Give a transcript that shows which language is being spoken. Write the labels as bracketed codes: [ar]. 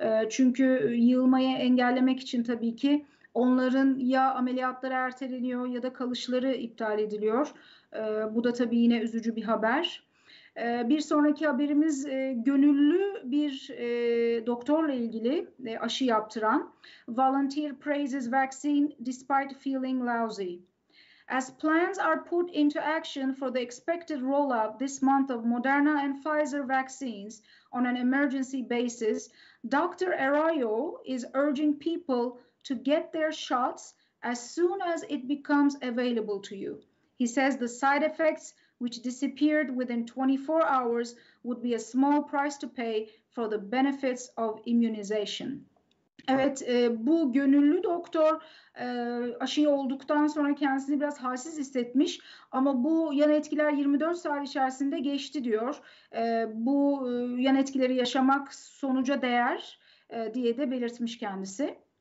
[tr] Çünkü yığılmayı engellemek için tabii ki onların ya ameliyatları erteleniyor ya da kalışları iptal ediliyor. Bu da tabii yine üzücü bir haber. Bir sonraki haberimiz gönüllü bir doktorla ilgili aşı yaptıran. [en] Volunteer praises vaccine despite feeling lousy. As plans are put into action for the expected rollout this month of Moderna and Pfizer vaccines on an emergency basis, Dr. Arroyo is urging people to get their shots as soon as it becomes available to you. He says the side effects, which disappeared within 24 hours, would be a small price to pay for the benefits of immunization. [tr] Evet, bu gönüllü doktor aşı olduktan sonra kendisini biraz halsiz hissetmiş ama bu yan etkiler 24 saat içerisinde geçti diyor. Bu yan etkileri yaşamak sonuca değer diye de belirtmiş kendisi.